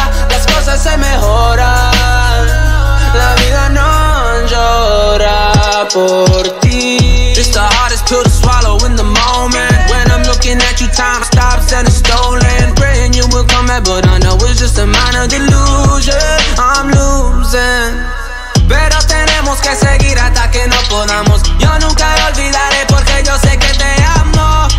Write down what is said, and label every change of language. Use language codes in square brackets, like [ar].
[es] Las cosas se mejoran, la vida no llora. [en] hardest pill to swallow in the moment. When I'm looking at you, time stops and it's stolen. Praying you will come back, but I know it's just a minor delusion. I'm losing. [es] Pero tenemos que seguir hasta que no podamos. Yo nunca lo olvidaré porque yo sé que te amo.